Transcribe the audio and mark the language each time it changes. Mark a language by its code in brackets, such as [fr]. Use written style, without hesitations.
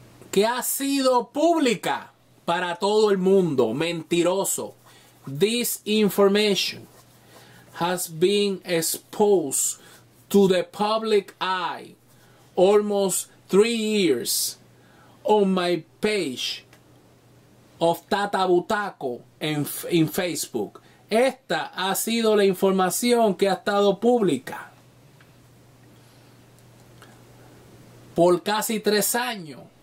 [es] Que ha sido pública para todo el mundo. Mentiroso. [en] This information has been exposed to the public eye almost 3 years on my page of Tata Butaco in Facebook. [es] Esta ha sido la información que ha estado pública por casi 3 años.